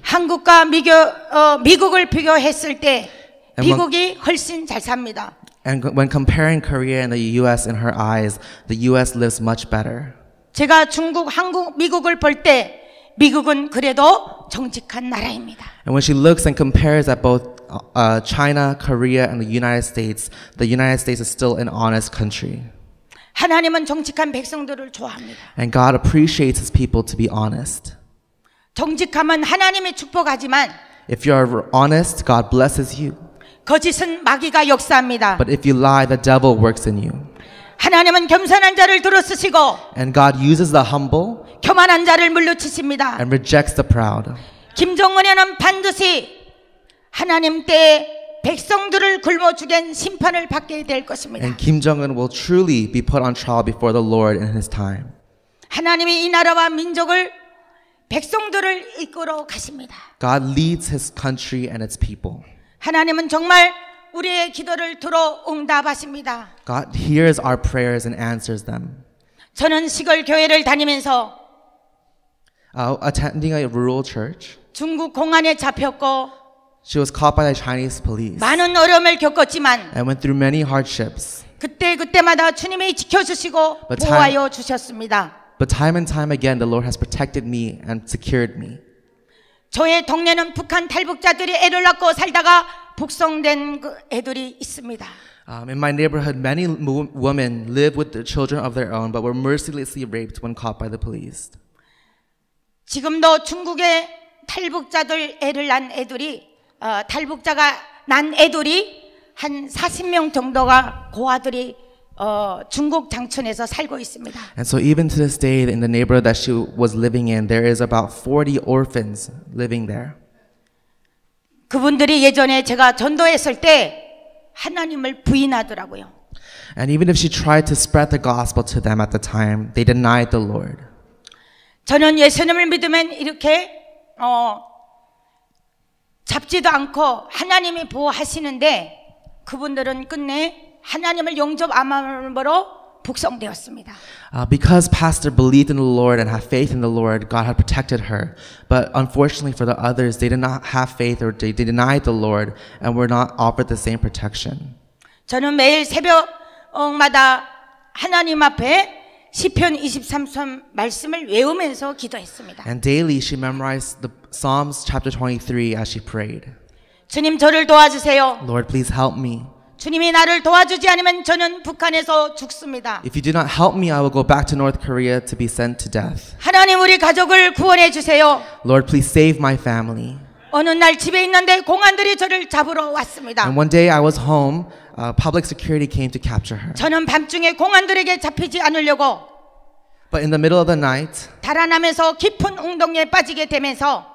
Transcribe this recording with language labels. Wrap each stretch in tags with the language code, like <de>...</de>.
<ko>한국과 미국을 비교했을 때 미국이 훨씬 잘 삽니다.</ko> <en>And when comparing Korea and the US in her eyes, the US lives much better.</en> <ko>제가 중국, 한국, 미국을 볼 때 미국은 그래도 정직한 나라입니다.</ko> <en>And when she looks and compares at both China, Korea, and the United States is still an honest country.</en> <ko>하나님은 정직한 백성들을 좋아합니다.</ko> <en>And God appreciates his people to be honest.</en> <ko>정직함은 하나님의 축복하지만</ko> <en>If you are honest, God blesses you.</en> <ko>거짓은 마귀가 역사합니다.</ko> <en>But if you lie, the devil works in you.</en> <ko>하나님은 겸손한 자를 들어쓰시고</ko> <en>And God uses the humble</en> <ko>교만한 자를 물리치십니다.</ko> <en>And rejects the proud.</en> <ko>김정은에는 반드시 하나님 때에 백성들을 굶어 죽인 심판을 받게 될 것입니다.</ko> <en>And Kim Jong-un will truly be put on trial before the Lord in his time.</en> <ko>하나님이 이 나라와 민족을 백성들을 이끌어 가십니다.</ko> <en>God leads his country and its people.</en> <ko>하나님은 정말 우리의 기도를 들어 응답하십니다.</ko> <en>God hears our prayers and answers them.</en> <ko>저는 시골 교회를 다니면서</ko> <en>attending a rural church.</en> <ko>중국 공안에 잡혔고</ko> <en>She was caught by the Chinese police.</en> <ko>많은 어려움을 겪었지만</ko> <en>And went through many hardships.</en> <ko>그때그때마다 주님이 지켜주시고 보호하여 주셨습니다.</ko> <en>But time and time again the Lord has protected me and secured me.</en> <ko>저의 동네는 북한 탈북자들이 애를 낳고 살다가 북송된 그 애들이 있습니다.</ko> <en>In my neighborhood many women live with the children of their own but were mercilessly raped when caught by the police.</en> <ko>지금도 중국의 탈북자들 애를 난 애들이 탈북자가 난 애들이 한 40명 정도가 고아들이 중국 장촌에서 살고 있습니다.</ko> <en>And so even to this day in the neighborhood that she was living in there is about 40 orphans living there.</en> <ko>그분들이 예전에 제가 전도했을 때 하나님을 부인하더라고요.</ko> <en>And even if she tried to spread the gospel to them at the time, they denied the Lord.</en> <ko>저는 예수님을 믿으면 이렇게 잡지도 않고 하나님이 보호하시는데 그분들은 끝내 하나님을 용접 암함으로 복성되었습니다.</ko> <en>Because Pastor believed in the Lord and had faith in the Lord, God had protected her. But unfortunately for the others, they did not have faith or they denied the Lord and were not offered the same protection.</en> <ko>저는 매일 새벽마다 하나님 앞에 시편 23편 말씀을 외우면서 기도했습니다.</ko> <en>And daily she memorized the Psalms chapter 23 as she prayed.</en> <ko>주님 저를 도와주세요.</ko> <en>Lord, please help me.</en> <ko>주님이 나를 도와주지 않으면 저는 북한에서 죽습니다.</ko> <en>If you do not help me, I will go back to North Korea to be sent to death.</en> <ko>하나님 우리 가족을 구원해 주세요.</ko> <en>Lord, please save my family.</en> <ko>어느 날 집에 있는데 공안들이 저를 잡으러 왔습니다.</ko> <en>And one day I was home, public security came to capture her.</en> <ko>저는 밤중에 공안들에게 잡히지 않으려고</ko> <en>But in the middle of the night,</en> <ko>달아나면서 깊은 웅덩이에 빠지게 되면서</ko>